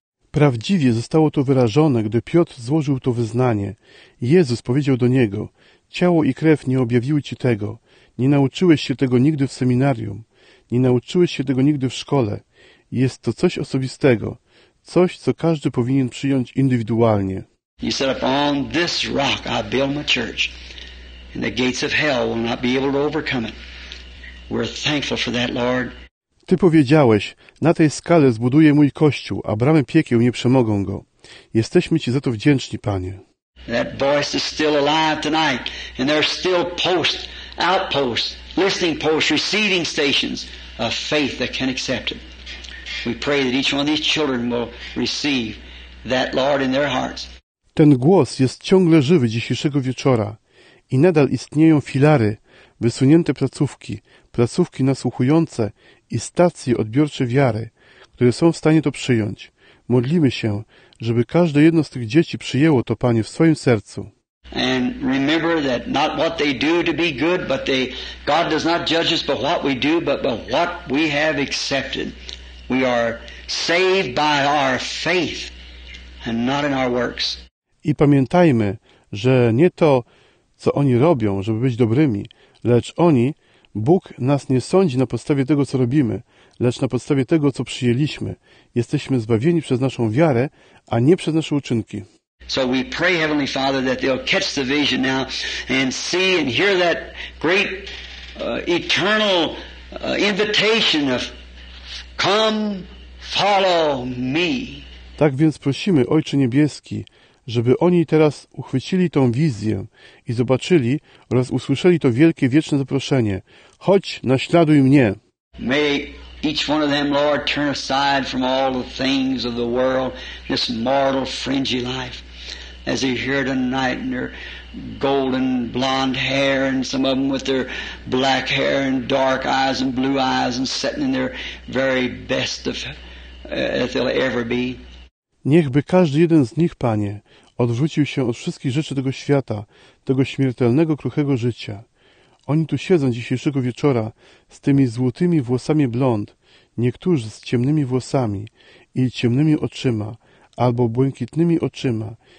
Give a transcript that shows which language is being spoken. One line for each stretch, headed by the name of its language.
Polish: Prawdziwie zostało to wyrażone, gdy Piotr złożył to wyznanie. Jezus powiedział do niego: "Ciało i krew nie objawiły ci tego. Nie nauczyłeś się tego nigdy w seminarium. Nie nauczyłeś się tego nigdy w szkole. Jest to coś osobistego. Coś, co każdy powinien przyjąć indywidualnie."
English: He said, "Upon this rock I build my church, and the gates of hell will not be able to overcome it." We're thankful for that, Lord.
Polish: Ty powiedziałeś: "Na tej skale zbuduję mój kościół, a bramy piekieł nie przemogą go." Jesteśmy ci za to wdzięczni, Panie.
English: That voice is still alive tonight, and there are still posts, outposts, listening posts, receiving stations of faith that can accept it. We pray that each one of these children will receive that, Lord, in their hearts.
Polish: Ten głos jest ciągle żywy dzisiejszego wieczora i nadal istnieją filary, wysunięte placówki, placówki nasłuchujące i stacje odbiorcze wiary, które są w stanie to przyjąć. Modlimy się, żeby każde jedno z tych dzieci przyjęło to, Panie, w swoim sercu.
English: And remember that not what they do to be good, but God does not judge us by what we do, but by what we have accepted. We are saved by our faith and not in our works.
Polish: I pamiętajmy, że nie to, co oni robią, żeby być dobrymi, lecz oni, Bóg nas nie sądzi na podstawie tego, co robimy, lecz na podstawie tego, co przyjęliśmy. Jesteśmy zbawieni przez naszą wiarę, a nie przez nasze uczynki.
English: So we pray, Heavenly Father, that they'll catch the vision now and see and hear that great eternal invitation of come, follow me.
Polish: Tak więc prosimy, Ojcze Niebieski, żeby oni teraz uchwycili tą wizję i zobaczyli oraz usłyszeli to wielkie, wieczne zaproszenie. Chodź, naśladuj mnie.
English: May each one of them, Lord, turn aside from all the things of the world, this mortal, fringy life. As they hear tonight in their golden blonde hair, and some of them with their black hair and dark eyes and blue eyes, and sitting in their very best of as they'll ever be.
Polish: Niechby każdy jeden z nich, Panie, odwrócił się od wszystkich rzeczy tego świata, tego śmiertelnego, kruchego życia. Oni tu siedzą dzisiejszego wieczora z tymi złotymi włosami blond, niektórzy z ciemnymi włosami i ciemnymi oczyma, albo błękitnymi oczyma.